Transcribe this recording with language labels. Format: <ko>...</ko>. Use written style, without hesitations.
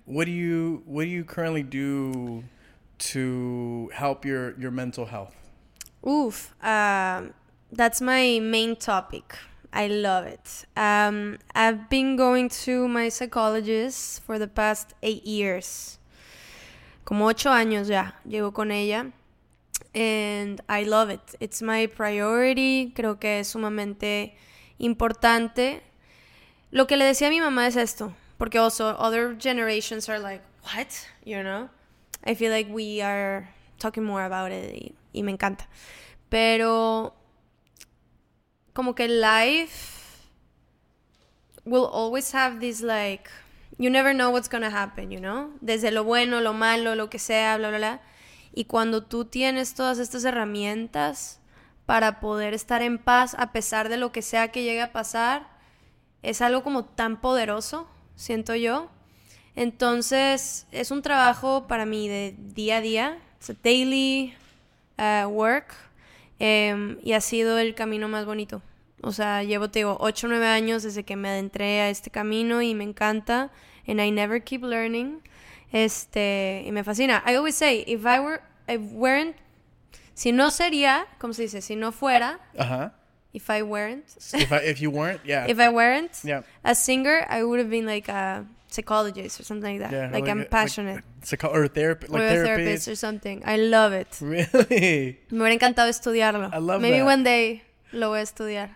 <en>What do you currently do to help your mental health? Oof. That's my main topic. I love it. I've been going to my psychologist for the past 8 years.</en> <es>Como 8 años ya llevo con ella.</es> <en>And I love it. It's my priority.</en> <es>Creo que es sumamente importante. Lo que le decía a mi mamá es esto. Porque</es> <en>also other generations are like, what? You know? I feel like we are talking more about it.</en> <es>Y me encanta. Pero... como que</es> <en>life will always have this, like, you never know what's going to happen, you know?</en> <es>Desde lo bueno, lo malo, lo que sea, bla, bla, bla. Y cuando tú tienes todas estas herramientas para poder estar en paz a pesar de lo que sea que llegue a pasar, es algo como tan poderoso, siento yo. Entonces, es un trabajo para mí de día a día.</es> <en>It's a daily work.</en> <es>Y ha sido el camino más bonito. O sea, llevo, te digo, 8 o 9 años desde que me adentré a este camino y me encanta.</es> <en>And I never keep learning.</en> <es>Y me fascina.</es> <en>I always say, if I were if weren't,</en> <es>si no sería, como se dice, si no fuera,</es> <en>if I weren't. If you weren't. If I weren't a singer, I would have been like a psychologist or something like that. Yeah, like I'm passionate. Or a therapist or something. I love it. Really?</en> <es>Me hubiera encantado estudiarlo.</es> <en>Maybe one day</en> <es>lo voy a estudiar.</es>